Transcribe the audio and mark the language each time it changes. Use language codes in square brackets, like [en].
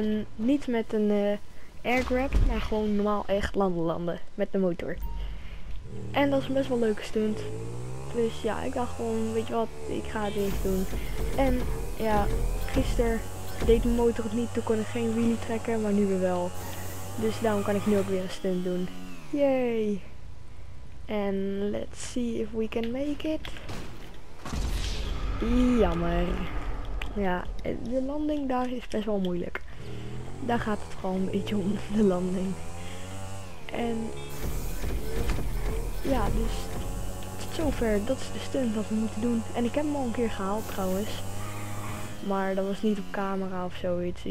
[nl] En niet met een airgrab, maar gewoon normaal echt landen. Met de motor. En dat is best wel een leuke stunt. Dus ja, ik dacht gewoon, weet je wat, ik ga het eens doen. En ja, gisteren deed mijn motor het niet. Toen kon ik geen wheelie trekken, maar nu weer wel. Dus daarom kan ik nu ook weer een stunt doen. Yay. [en] En let's see if we can make it. [nl] Jammer. Ja, de landing daar is best wel moeilijk. Daar gaat het gewoon een beetje om, de landing. En ja, dus tot zover. Dat is de stunt wat we moeten doen. En ik heb hem al een keer gehaald trouwens. Maar dat was niet op camera of zoiets.